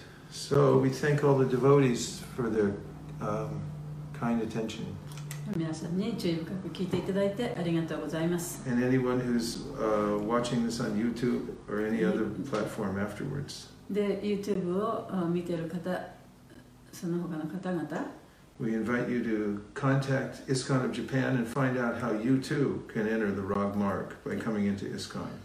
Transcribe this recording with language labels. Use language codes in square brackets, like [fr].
[en] So we thank all the devotees for their kind attention. [ja] 皆さんに注意深く聞いていただいてありがとうございます。 [en] And anyone who's watching this on YouTube or any other platform afterwards. [ja] で、YouTube を見ている方、その他の方々。 [en] We invite you to contact ISKCON of Japan and find out how you too can enter the Rog Mark by coming into ISKCON.